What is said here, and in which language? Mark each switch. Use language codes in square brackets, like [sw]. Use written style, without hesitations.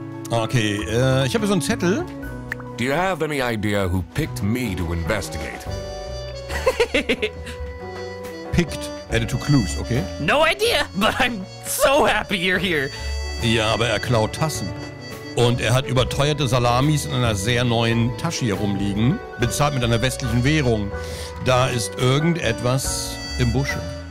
[de] Okay, ich habe so einen Zettel. [en] Do you have any idea who picked me to investigate? Picked, added to clues, okay? No idea, but I'm so happy you're here. [de] Ja, aber er klaut Tassen. Und er hat überteuerte Salamis in einer sehr neuen Tasche herumliegen, bezahlt mit einer westlichen Währung. Da ist irgendetwas im Busche.